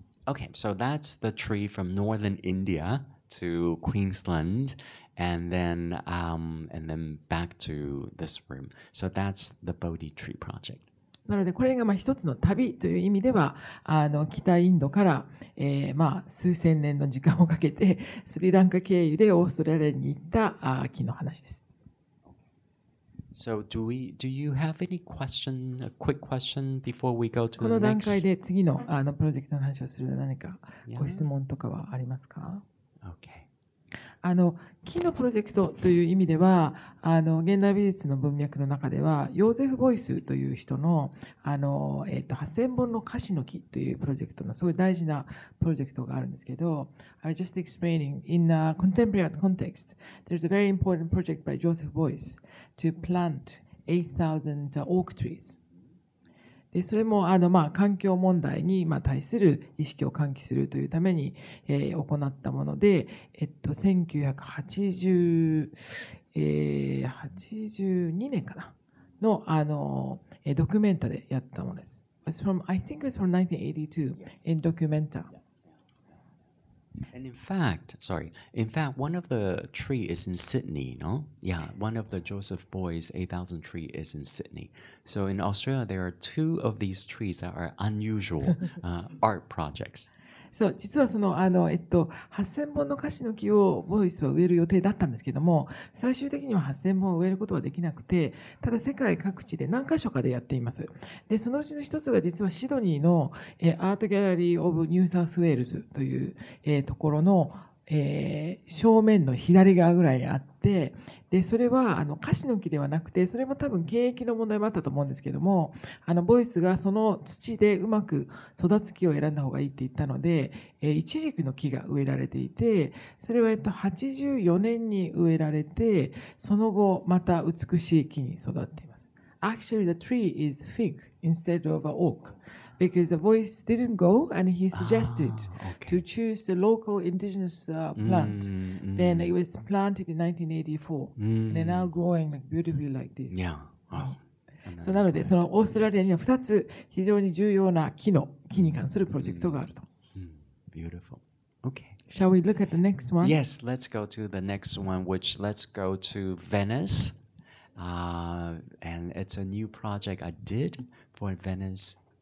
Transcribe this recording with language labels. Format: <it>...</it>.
<en>Okay, so that's the tree from northern India to Queensland and then back to this room. So that's the Bodhi tree project.</en> <ja>なのでこれがまあ一つの旅という意味ではあの北インドから、まあ数千年の時間をかけてスリランカ経由でオーストラリアに行った木の話です。</ja> <en>So do you have any question, a quick question before we go to the next?</en> <ja>この段階で次のあのプロジェクトの話をする何かご質問とかはありますか？</ja> <en>Okay.</en> <ja>あの木のプロジェクトという意味ではあの現代美術の文脈の中ではヨーゼフ・ボイスという人のあの8000本の樫の木というプロジェクトのすごい大事なプロジェクトがあるんですけど、</ja> <en>I just explaining in a contemporary context, there's a very important project by Joseph Beuys to plant 8,000 oak trees.</en> <ja>でそれもまあ環境問題に対する意識を喚起するというために行ったもので、1982年かなの、ドキュメンタでやったものです。</ja> <en>It's from, I think it's from 1982 in documenta. And in fact, one of the tree is in Sydney, no? Yeah, one of the Joseph Boy's 8,000 tree is in Sydney. So in Australia, there are two of these trees that are unusual art projects.</en> <ja>そう実はその8000本の樫の木をボイスは植える予定だったんですけども、最終的には8000本を植えることはできなくて、ただ世界各地で何箇所かでやっています。でそのうちの一つが実はシドニーのアートギャラリー・オブ・ニューサウス・ウェールズというところの正面の左側ぐらいあって、でそれは樫の木ではなくて、それも多分景気の問題もあったと思うんですけども、ボイスがその土でうまく育つ木を選んだ方がいいって言ったので、イチジクの木が植えられていて、それは84年に植えられて、その後また美しい木に育っています。</ja> <en>Actually the tree is fig instead of an oakBecause the voice didn't go, and he suggested to choose the local indigenous plant. Then it was planted in 1984. They're now growing beautifully like this. Yeah. Wow.</en> <ja>So, なのでそのオーストラリアには2つ非常に重要な木に関するプロジェクトがあると。</ja> <en>Beautiful. Okay. Shall we look at the next one? Yes, let's go to the next one, which let's go to Venice. And it's a new project I did for Venice.</en>